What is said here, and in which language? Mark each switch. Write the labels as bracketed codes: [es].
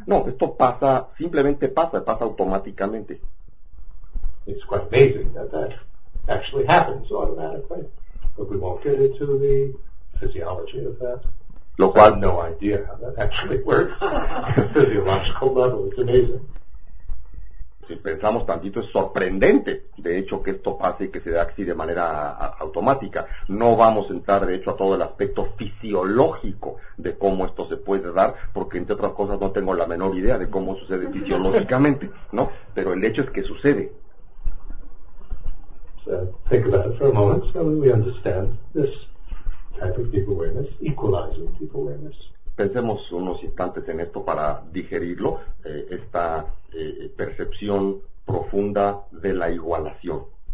[es] No, esto pasa, simplemente pasa automáticamente. [en] It's quite amazing that actually happens automatically, but we won't get into the physiology of that. [es] Lo cual, [en] no idea how that actually works. Physiological level, it's amazing. [es] Si pensamos tantito, es sorprendente, de hecho, que esto pase y que se dé así de manera automática. No vamos a entrar, de hecho, a todo el aspecto fisiológico de cómo esto se puede dar, porque entre otras cosas no tengo la menor idea de cómo sucede fisiológicamente, ¿no? Pero el hecho es que sucede. [en] Think about it for a moment, so we understand this. Type of deep awareness, equalizing deep awareness. [es] Pensemos unos instantes en esto para digerirlo, esta percepción profunda de la igualación.